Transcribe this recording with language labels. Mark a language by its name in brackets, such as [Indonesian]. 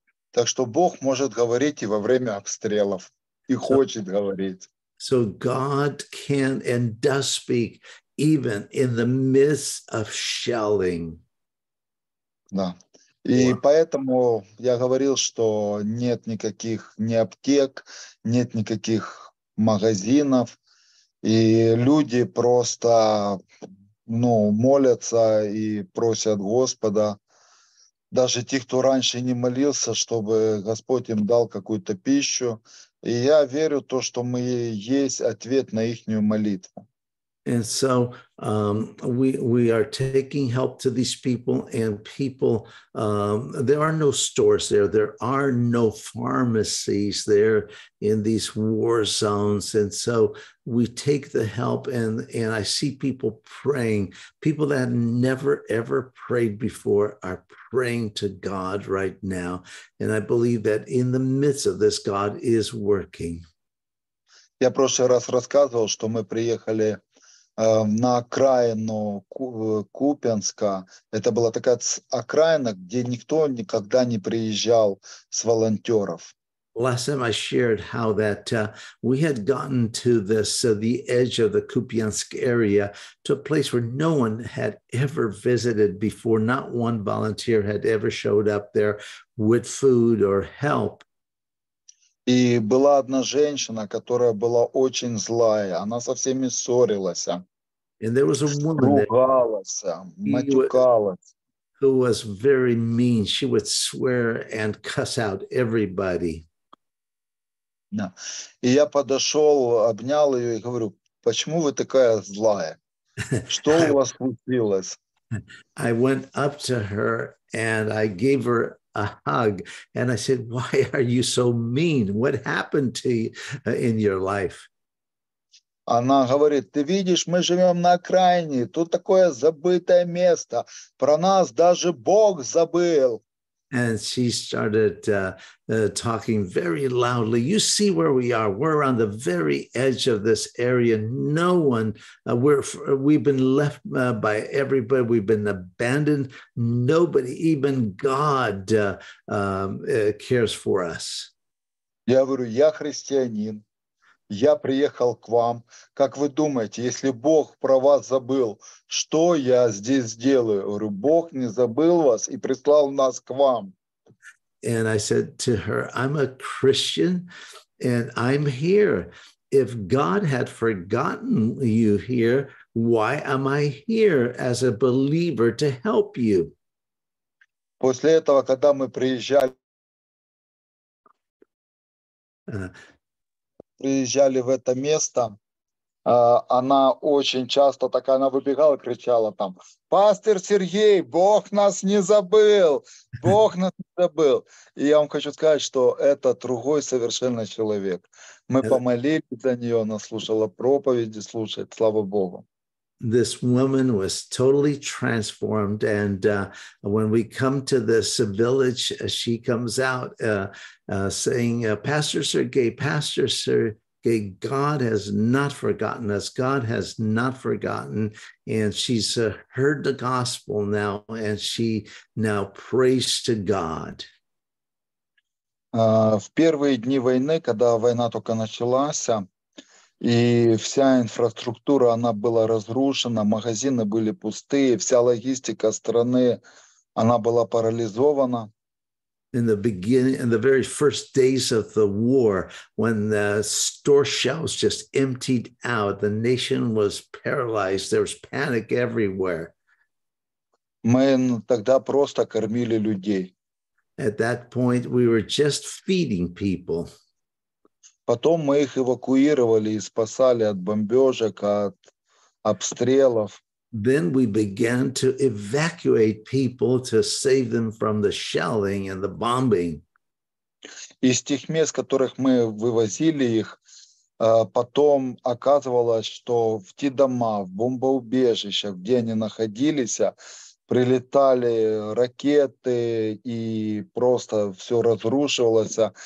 [Russian] Так что Бог может говорить и во время обстрелов, и хочет говорить. [English] So God can and does speak even in the midst of shelling. [Russian] Да. И поэтому я говорил, что нет никаких ни аптек, нет никаких магазинов, и люди просто, ну, молятся и просят Господа. Даже тех, кто раньше не молился, чтобы Господь им дал какую-то пищу. И я верю в то, что мы есть ответ на ихнюю молитву. [English] And so we are taking help to these people, and people, there are no stores there. There are no pharmacies there in these war zones. And so we take the help, and I see people praying. People that never, ever prayed before are praying to God right now. And I believe that in the midst of this, God is working. [Russian] Я в прошлый раз рассказывал, что мы приехали на окраину Купянска. Это была такая окраина, где никто никогда не приезжал с волонтеров. [English] Last time I shared how that we had gotten to this, the edge of the Kupiansk area, to a place where no one had ever visited before. Not one volunteer had ever showed up there with food or help. [Russian] И была одна женщина, которая была очень злая. Она со всеми ссорилась. [English] And there was a woman who was very mean. She would swear and cuss out everybody. Yeah. [Russian] И я подошел, обнял ее и говорю, почему вы такая злая? Что у вас случилось? [English] I went up to her and I gave her a hug. And I said, why are you so mean? What happened to you in your life? [Russian] Она говорит, ты видишь, мы живем на окраине, тут такое забытое место, про нас даже Бог забыл. [English] And she started talking very loudly. You see where we are. We're on the very edge of this area. No one, we've been left by everybody. We've been abandoned. Nobody, even God, cares for us. [Russian] Я говорю, я христианин. Я приехал к вам. Как вы думаете, если Бог про вас забыл, что я здесь сделаю? Я говорю, Бог не забыл вас и прислал нас к вам. [English] And I said to her, I'm a Christian and I'm here. If God had forgotten you here, why am I here as a believer to help you? [Russian] После этого, когда мы приезжали... приезжали в это место, она очень часто такая, она выбегала, кричала там, пастор Сергей, Бог нас не забыл, Бог нас не забыл. И я вам хочу сказать, что это другой совершенно человек. Мы помолились за нее, она слушала проповеди, слушает, слава Богу. [English] This woman was totally transformed, and when we come to this village, she comes out saying, Pastor Sergey, God has not forgotten us. God has not forgotten, and she's heard the gospel now, and she now prays to God. [Russian] В первые дни войны, когда война только началась, и вся инфраструктура, она была разрушена, магазины были пустые, вся логистика страны, она была парализована. [English] In the beginning, in the very first days of the war, when the store shelves just emptied out, the nation was paralyzed, there was panic everywhere. [Russian] Мы тогда просто кормили людей. [English] At that point, we were just feeding people. [Russian] Потом мы их эвакуировали и спасали от бомбежек, от обстрелов. [English] Then we began to evacuate people to save them from the shelling and the bombing. [Russian] Из тех мест, которых мы вывозили их, потом оказывалось, что в те дома, в бомбоубежища, где они находились, прилетали ракеты, и просто все разрушивалось.